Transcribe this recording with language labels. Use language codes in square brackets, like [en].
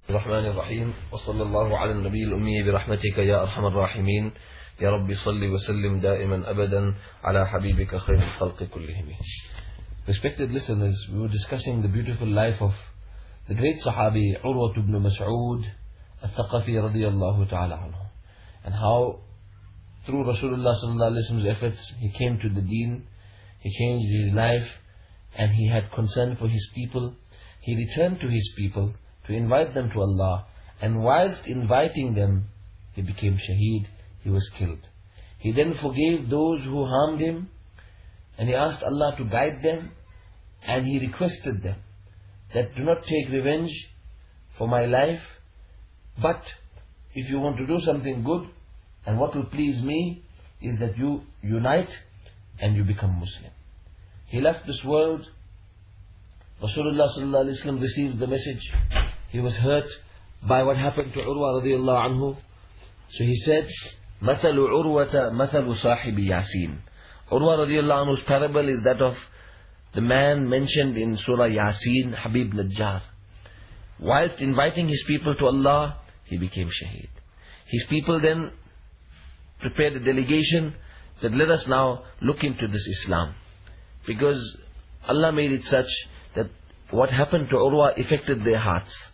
[ar] الرحمن الرحيم وصلى الله على النبي الأمي برحمتك يا أرحم الراحمين يا رب صل وسلم دائما أبدا على حبيبك خير الخلق كلهم. [en] Respected listeners, we were discussing the beautiful life of the great Sahabi Urwa ibn Mas'ud al-Thaqafi رضي الله تعالى عنه, and how through Rasulullah صلى الله عليه وسلم's efforts he came to the deen, he changed his life, and he had concern for his people. He returned to his people to invite them to Allah, and whilst inviting them, he became shaheed, he was killed. He then forgave those who harmed him, and he asked Allah to guide them, and he requested them that do not take revenge for my life, but if you want to do something good, and what will please me is that you unite and you become Muslim. He left this world. Rasulullah sallallahu alayhi wa sallam receives the message. He was hurt by what happened to Urwa radiallahu anhu. So he said, [ar] مَثَلُ عُرْوَةَ مَثَلُ صَاحِبِ يَاسِينَ. [en] Urwa radiallahu anhu's parable is that of the man mentioned in Surah Yasin, Habib Najjar. Whilst inviting his people to Allah, he became shaheed. His people then prepared a delegation that let us now look into this Islam, because Allah made it such that what happened to Urwa affected their hearts.